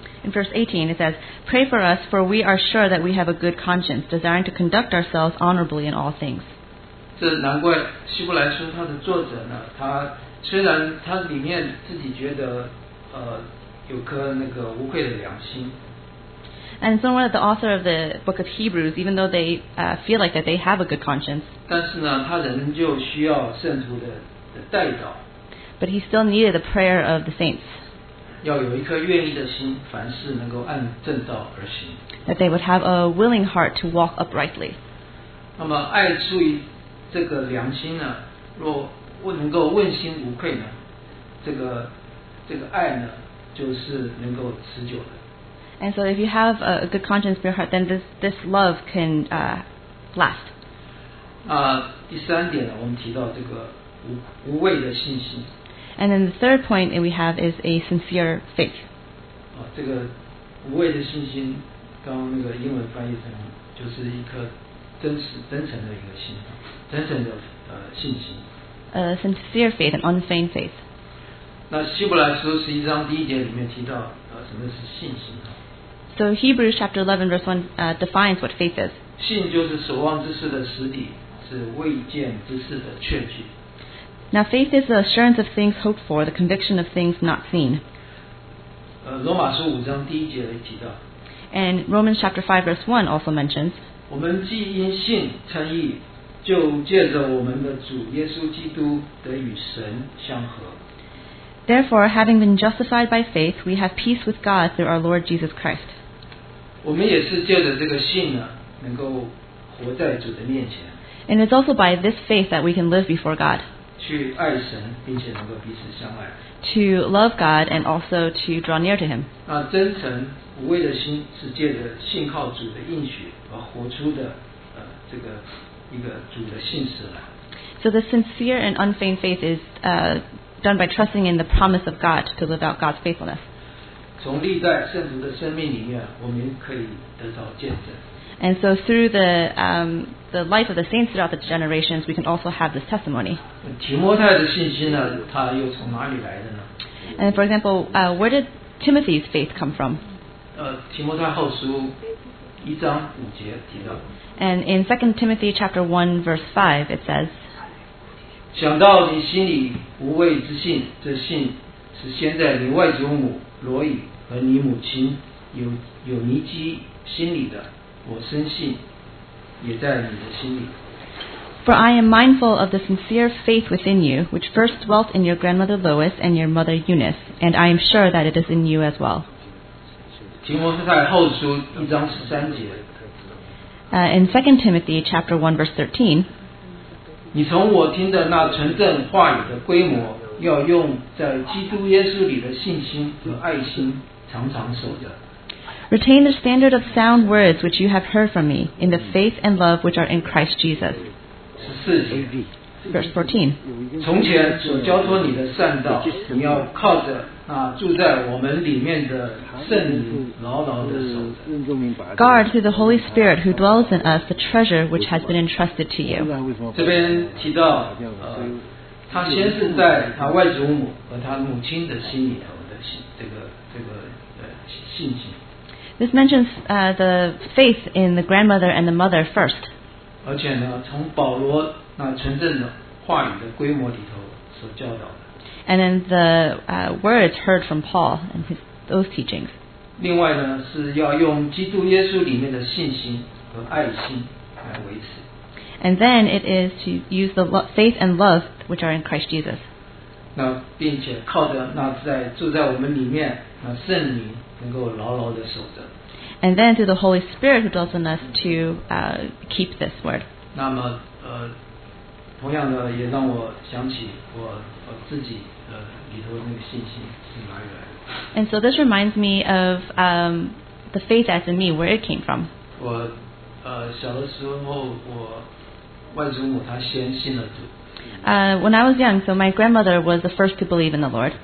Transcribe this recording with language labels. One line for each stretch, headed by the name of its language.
English: In verse 18, it says, "Pray for us, for we are sure that we have a good conscience, desiring to conduct ourselves honorably in all things."
Chinese: 这难怪希伯来书它的作者呢，他虽然他里面自己觉得有颗那个无愧的良心。
English: And so the author of the book of Hebrews, even though they feel like that they have a good conscience,
Chinese: 但是呢，他仍旧需要圣徒的代祷。
English: But he still needed the prayer of the saints.
Chinese: 要有一颗愿意的心，凡事能够按正道而行。
English: That they would have a willing heart to walk uprightly.
Chinese: 那么爱出于这个良心呢，若能够问心无愧呢，这个爱呢，就是能够持久的。
English: And so if you have a good conscience in your heart, then this love can last.
Chinese: 第三点呢，我们提到这个无畏的信心。
English: And then the third point that we have is a sincere faith.
Chinese: 这个无畏的信心，刚那个英文翻译成就是一颗真诚的一个心，真诚的信心。
English: Sincere faith, an unfeigned faith.
Chinese: 那希伯来书十一章第一节里面提到什么是信心啊？
English: So Hebrews chapter 11 verse 1 defines what faith is.
Chinese: 信就是所望之事的实底，是未见之事的确据。
English: Now faith is the assurance of things hoped for, the conviction of things not seen.
Chinese: 罗马书五章第一节也提到。
English: And Romans chapter 5 verse 1 also mentions.
Chinese: 我们既因信称义，就借着我们的主耶稣基督得与神相合。
English: Therefore, having been justified by faith, we have peace with God through our Lord Jesus Christ.
Chinese: 我们也是借着这个信呢，能够活在主的面前。
English: And it's also by this faith that we can live before God.
Chinese: 去爱神，并且能够彼此相爱。
English: To love God and also to draw near to Him.
Chinese: 那真诚无畏的心是借着信靠主的应许而活出的，这个一个主的信实来。
English: So the sincere and unfeigned faith is done by trusting in the promise of God to live out God's faithfulness.
Chinese: 从历代圣徒的生命里面，我们可以得到见证。
English: And so through the life of the saints throughout the generations, we can also have this testimony.
Chinese: 提摩太的信心呢，他又从哪里来的呢？
English: And for example, where did Timothy's faith come from?
Chinese: 提摩太后书一章五节提到。
English: And in 2 Timothy chapter 1 verse 5, it says,
Chinese: 想到你心里无畏之信，这信是先在你外祖母罗以和你母亲有尼基心里的，我深信也在你的心里。
English: For I am mindful of the sincere faith within you, which first dwelt in your grandmother Lois and your mother Eunice, and I am sure that it is in you as well.
Chinese: 提摩太在后书一章十三节。
English: In 2 Timothy chapter 1 verse 13,
Chinese: 你从我听的那纯正话语的规模，要用在基督耶稣里的信心和爱心常常守着。
English: Retain the standard of sound words which you have heard from me in the faith and love which are in Christ Jesus. 14.
Chinese: 从前所交托你的善道，你要靠着那住在我们里面的圣灵牢牢的守着。
English: Guard through the Holy Spirit who dwells in us the treasure which has been entrusted to you.
Chinese: 这边提到，他先是在他外祖母和他母亲的心里头的这个信心。
English: This mentions the faith in the grandmother and the mother first.
Chinese: 而且呢，从保罗那纯正的话语的规模里头所教导的。
English: And then the words heard from Paul and those teachings.
Chinese: 另外呢，是要用基督耶稣里面的信心和爱心来维持。
English: And then it is to use the faith and love which are in Christ Jesus.
Chinese: 那并且靠着那在住在我们里面那圣灵。能够牢牢地守着。
English: And then through the Holy Spirit who dwells in us to keep this word.
Chinese: 那么同样的也让我想起 我自己里头的那个信心是哪里来的。
English: And so this reminds me of the faith that's in me, where it came from.
Chinese: 我小的时候我外祖母她先信了主。
English: When I was young, so my grandmother was the first to believe in the Lord.